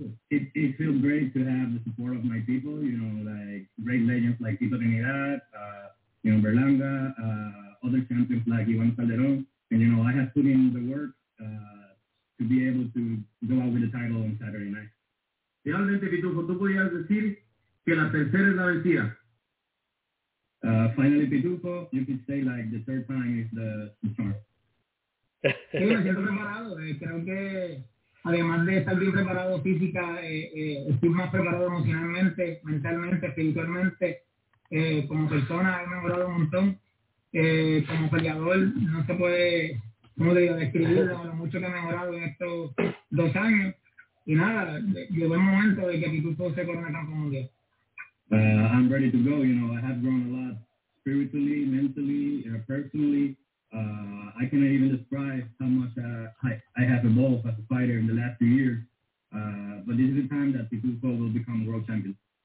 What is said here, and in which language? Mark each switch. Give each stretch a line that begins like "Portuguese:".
English: It feels great to have the support of my people, you know, like great legends like Tito Trinidad, you know, Berlanga, other champions like Iván Calderón, and you know, I have put in the work to be able to go out with the title on Saturday night.
Spanish: Finalmente, Petufo, tú podías decir que la tercera es la vencida.
English: Finally, Petufo, you could say like the third time is the start.
Spanish: Sí, me siento preparado. Creo que además de estar bien preparado física, estoy más preparado emocionalmente, mentalmente, espiritualmente. Como persona he mejorado un montón. Como peleador, no se puede, como digo, describir lo mucho que he mejorado en estos 2 años. Y nada, llegó el momento de que Petufo se corona campeón mundial.
English: I'm ready to go. You know, I have grown a lot spiritually, mentally, personally. I cannot even describe how much I have evolved as a fighter in the last few years. But this is the time that Petufo will become world champion.